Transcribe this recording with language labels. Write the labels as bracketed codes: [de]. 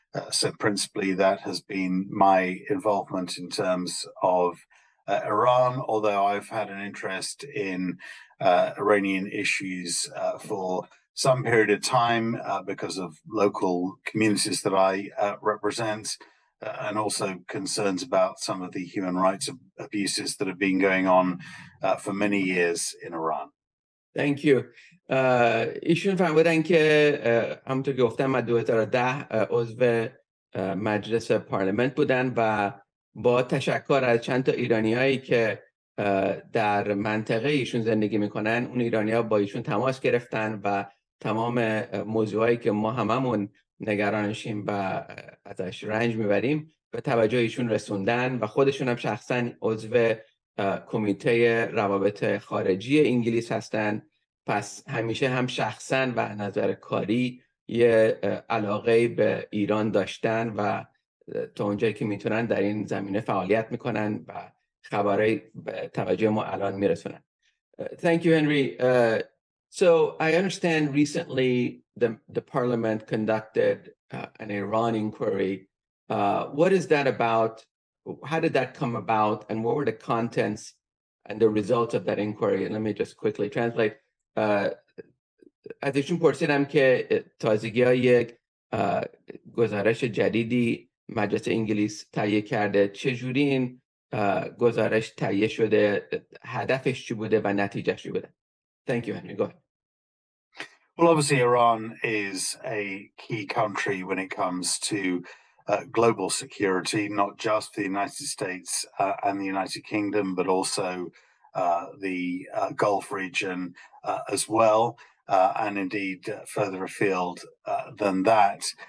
[en] So principally, that has been my involvement in terms of Iran, although I've had an interest in Iranian issues for some period of time because of local communities that I represent, and also concerns about some of the human rights abuses that have been going on for many years in Iran. Thank you. [fa] ایشون فرمودن که همونطور که گفتم از 2010 عضو مجلس پارلمنت بودن و با تشکر از چند تا ایرانی هایی که در منطقه ایشون زندگی میکنن، اون ایرانی ها با ایشون تماس گرفتن و تمام موضوعایی که ما هممون نگرانشیم و ازش رنج میبریم به توجه ایشون رسوندن و خودشون هم شخصا عضو کمیته روابط خارجی انگلیس هستن. پس همیشه هم شخصا و نظر کاری یه علاقه به ایران داشتن و تا اونجایی که میتونن در این زمینه فعالیت میکنن و خبرهای توجه ما الان میرسونن. [en] Thank you, Henry. So I understand recently the parliament conducted an Iran inquiry. What is that about? How did that come about? And what were the contents and the results of that inquiry? And let me just quickly translate. [fa] ازشون پرسیدم که تازگی ها یک گزارش جدیدی مجلس انگلیس تهیه کرده، چجوری این گزارش تهیه شده، هدفش چی بوده و نتیجه چی بوده؟ [en] Thank you, Henry. Go ahead. Well, obviously, Iran is a key country when it comes to global security, not just the United States and the United Kingdom, but also the Gulf region as well, and indeed further afield than that.